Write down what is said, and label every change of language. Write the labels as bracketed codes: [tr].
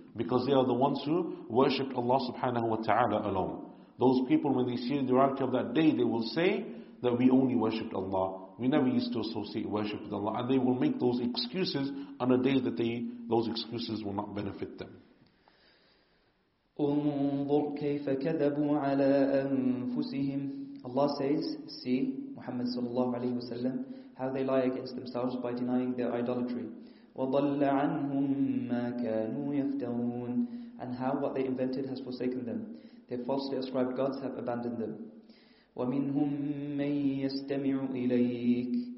[en] because they are the ones who worship Allah subhanahu wa ta'ala alone. Those people, when they see the reality of that day, they will say that we only worshipped Allah. We never used to associate worship with Allah. And they will make those excuses on a day that those excuses will not benefit them. [ar] انظر كيف كذبوا على أنفسهم. [en] Allah says, see, Muhammad sallallahu alayhi wa sallam, how they lie against themselves by denying their idolatry. [ar] وَضَلَّ عَنْهُمْ مَا كَانُوا يَفْتَرُونَ. [en] And how what they invented has forsaken them. Their falsely ascribed gods have abandoned them. [ar] وَمِنْهُمْ مَنْ يَسْتَمِعُ إِلَيْكَ.